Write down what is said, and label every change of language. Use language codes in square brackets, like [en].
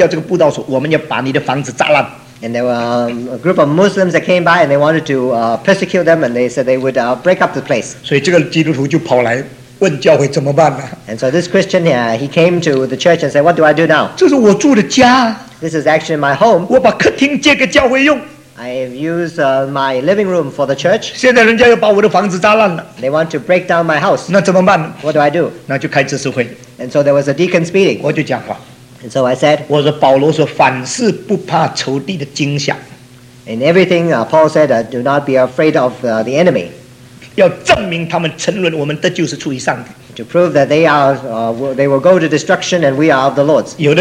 [zh] 那么这个回教徒几百个人来威胁那一个基督徒，说如果你不关掉这个布道所，我们要把你的房子砸烂。 [en] And there were a group of Muslims that came by and they wanted to persecute them and they said they would break up the place. [zh] 所以这个基督徒就跑来问教会怎么办呢? [en] And so this Christian here, he came to the church and said, what do I do now? [zh] 这是我住的家。 [en] This is actually my home. [zh] 我把客厅借给教会用。 [en] I have used my living room for the church. [zh] 现在人家又把我的房子砸烂了。 [en] They want to break down my house. [zh] 那怎么办? [en] What do I do? [zh] 那就开执事会。 [en] And so there was a deacon's meeting. [zh] 我就讲话。 [en] And so I said, [zh] 我说保罗说凡事不怕仇敌的惊吓。 [en] In everything, Paul said, do not be afraid of the enemy. [zh] 要证明他们沉沦，我们得救是出于上帝。 [en] To prove that they are, they will go to destruction and we are of the Lord's.